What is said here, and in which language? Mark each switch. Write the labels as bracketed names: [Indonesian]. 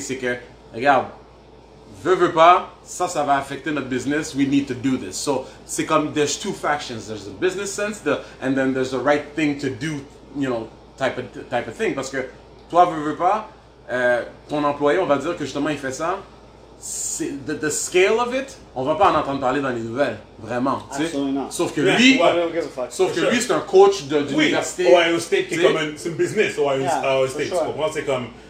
[French] C'est que, regarde, veux pas, ça va affecter notre business. [English] We need to do this. So, [French] c'est comme, [English] there's two factions. There's the business sense, and then there's the right thing to do, you know, type of thing. [French] Parce que toi, veux pas, ton employé, on va dire que justement, il fait ça. C'est, [English] the scale of it, [French] on va pas en entendre parler dans les nouvelles, vraiment. [English] Absolutely [French] t'sais? [English] Not. [French] Sauf que, yeah, lui, sauf que sure. lui, c'est un coach d'université. Oui, Ohio State, qui est comme un business. Ohio State, sure. tu comprends? C'est comme...